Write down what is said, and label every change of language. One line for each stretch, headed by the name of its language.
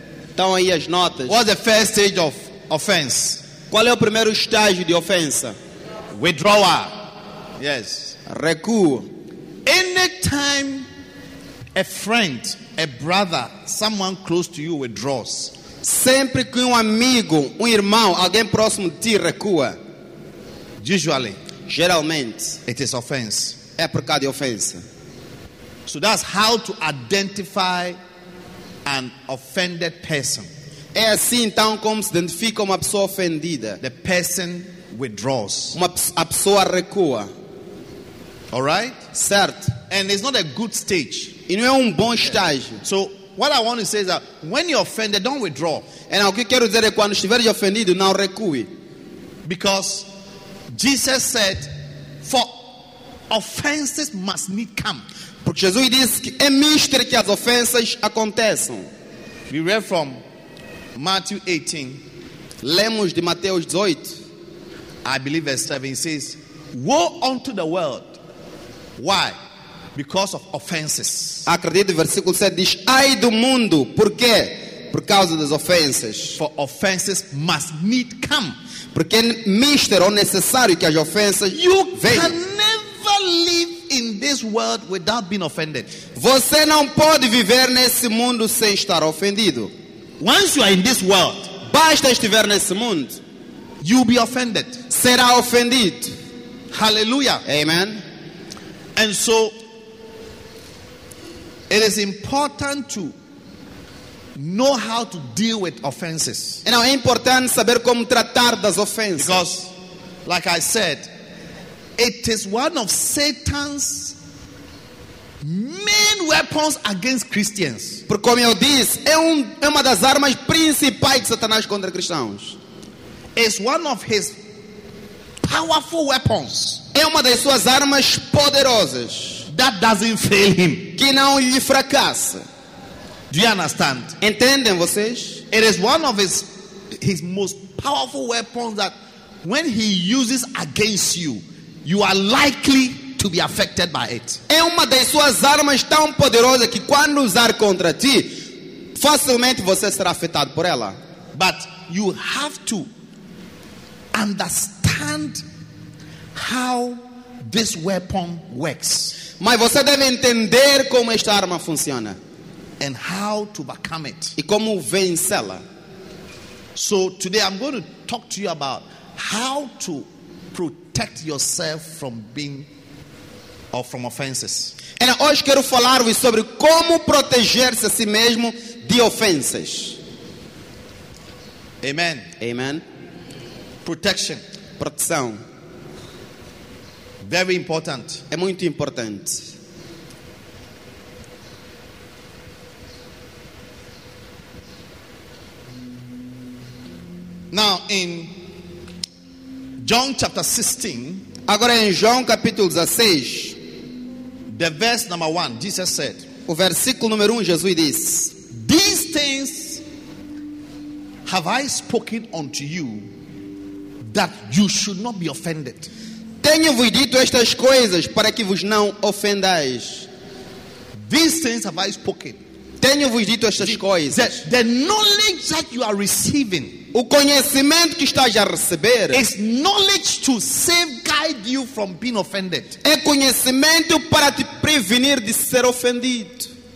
Portuguese: Estão aí as notas.
English: What's the first stage of offense?
Portuguese: Qual é o primeiro estágio de ofensa?
English: Withdrawal. Yes.
Portuguese: Recuo.
English: Anytime a friend, a brother, someone close to you withdraws.
Portuguese: Sempre que amigo, irmão, alguém próximo de ti recua.
English: Usually.
Portuguese: Geralmente,
English: it is offense.
Portuguese: É por causa de ofensa.
English: So that's how to identify an offended person.
Portuguese: É assim então como se identifica uma pessoa ofendida.
English: The person withdraws.
Portuguese: A pessoa recua.
English: All right?
Portuguese: Certo.
English: And it's not a good stage.
Portuguese: E não é bom estágio.
English: Yeah. So what I want to say is that when you're offended, don't withdraw. And
Portuguese: o que quero dizer é quando estiver ofendido, não recue.
English: Because Jesus said, for offenses must need come.
Portuguese: Porque Jesus disse que é mistério que as ofensas aconteçam.
English: We read from Matthew 18.
Portuguese: Lemos de Mateus 18.
English: I believe verse 7 says, woe unto the world. Why? Because of offenses.
Portuguese: Acredito, versículo 7 diz, ai do mundo. Por quê? Por causa das ofensas.
English: For offenses must need come.
Portuguese: Porque é mistério, é necessário que as ofensas venham.
English: Live in this world without being offended.
Portuguese: Você não pode viver nesse mundo sem estar ofendido.
English: Once you are in this world,
Portuguese: basta estiver nesse mundo,
English: you'll be offended.
Portuguese: Será ofendido.
English: Hallelujah.
Portuguese: Amen.
English: And so it is important to know how to deal with offenses.
Portuguese: E não, é importante saber como tratar das ofensas.
English: Because like I said, it is one of Satan's main weapons against Christians.
Portuguese: Porque como eu disse, é uma das armas principais de Satanás contra cristãos.
English: It's one of his powerful weapons.
Portuguese: É uma das suas armas poderosas.
English: That doesn't fail him.
Portuguese: Que não lhe fracassa.
English: Do you understand?
Portuguese: Entendem vocês?
English: It is one of his most powerful weapons that when he uses against you, you are likely to be affected by it.
Portuguese: É uma das suas armas tão poderosas que quando usar contra ti, facilmente você será afetado por ela.
English: But you have to understand how this weapon works.
Portuguese: Mas você deve entender como esta arma funciona.
English: And how to overcome it.
Portuguese: E como vencê-la.
English: So today I'm going to talk to you about how to protect yourself from being or from offenses.
Portuguese: E hoje quero falar-vos sobre como proteger-se a si mesmo de ofensas.
English: Amen.
Portuguese: Amen.
English: Protection.
Portuguese: Proteção.
English: Very important.
Portuguese: É muito importante.
English: Now in John chapter 16.
Portuguese: Agora em João capítulo 16.
English: The verse number 1, Jesus said.
Portuguese: O versículo número 1, Jesus diz:
English: "These things have I spoken unto you that you should not be offended."
Portuguese: Tenho-vos dito estas coisas para que vos não ofendais.
English: These things have I spoken.
Portuguese: Tenho-vos dito estas coisas.
English: The knowledge that you are receiving,
Portuguese: o conhecimento que estás a receber,
English: is knowledge to safeguard you from being offended.
Portuguese: É conhecimento para te prevenir de ser ofendido.